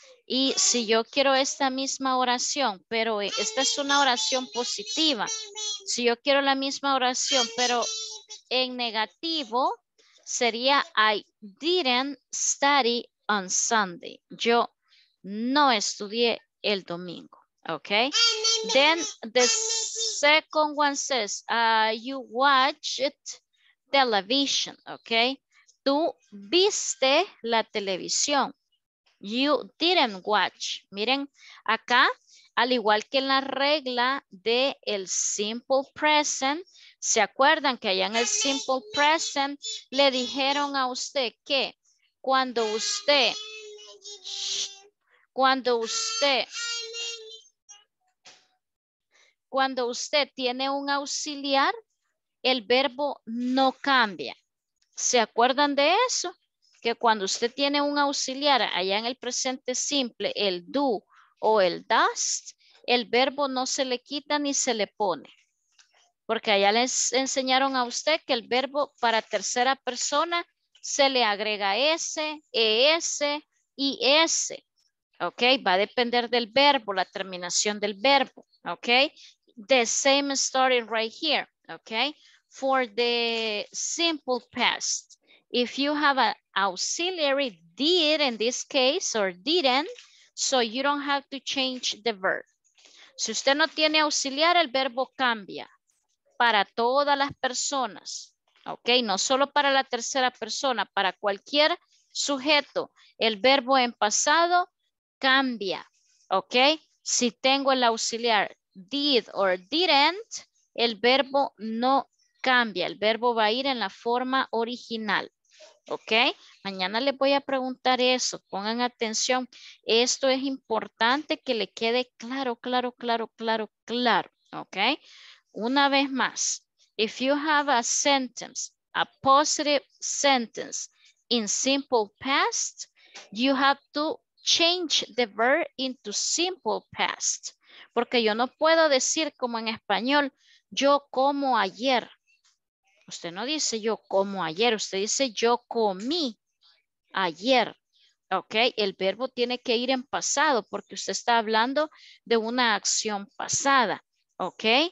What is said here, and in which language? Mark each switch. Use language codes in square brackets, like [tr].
[es] Y si yo quiero esta misma oración, pero esta es una oración positiva. Si yo quiero la misma oración, pero en negativo, sería [en] I didn't study on Sunday. [es] Yo no estudié el domingo. [en] Ok, then the second one says, you watched television, ok, [es] tú viste la televisión, [en] you didn't watch. [es] Miren, acá, al igual que en la regla del simple present, ¿se acuerdan que allá en el simple present le dijeron a usted que cuando usted tiene un auxiliar, el verbo no cambia? ¿Se acuerdan de eso? Que cuando usted tiene un auxiliar allá en el presente simple, el do o el does, el verbo no se le quita ni se le pone. Porque allá les enseñaron a usted que el verbo para tercera persona se le agrega S, ES y S. ¿Ok? Va a depender del verbo, la terminación del verbo. [en] ¿Ok? The same story right here, okay? For the simple past, if you have an auxiliary, did in this case, or didn't, so you don't have to change the verb. [es] Si usted no tiene auxiliar, el verbo cambia para todas las personas. Ok, no solo para la tercera persona, para cualquier sujeto, el verbo en pasado cambia, ok. Si tengo el auxiliar did or didn't, el verbo no cambia, el verbo va a ir en la forma original, ok. Mañana les voy a preguntar eso, pongan atención, esto es importante que le quede claro, claro, claro, claro, claro, ok. Una vez más, [en] if you have a sentence, a positive sentence in simple past, you have to change the verb into simple past. [es] Porque yo no puedo decir como en español, yo como ayer. Usted no dice yo como ayer, usted dice yo comí ayer. Ok, el verbo tiene que ir en pasado porque usted está hablando de una acción pasada. Ok.